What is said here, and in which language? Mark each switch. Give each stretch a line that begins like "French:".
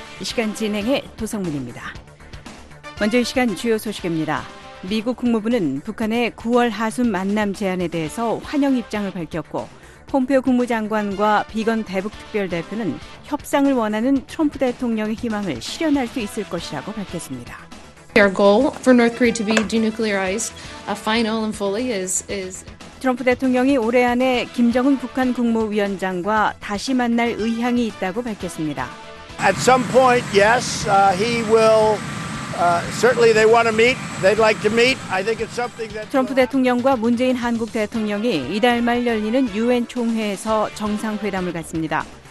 Korean: 이 시간 진행해 도성문입니다. 먼저 이 시간 주요 소식입니다. 미국 국무부는 북한의 9월 하순 만남 제안에 대해서 환영 입장을 밝혔고 폼페오 국무장관과 비건 대북특별대표는 협상을 원하는 트럼프 대통령의 희망을 실현할 수 있을 것이라고 밝혔습니다.
English: Our goal for North Korea to be denuclearized final and fully is
Korean: 트럼프 대통령이 올해 안에 김정은 북한 국무위원장과 다시 만날 의향이 있다고 밝혔습니다.
English: At some point, yes, he will. Certainly, they want to meet. They'd like to meet. I think it's something that
Korean: 트럼프 대통령과 문재인 한국 대통령이 이달 말 열리는 유엔 총회에서 정상 회담을 갖습니다.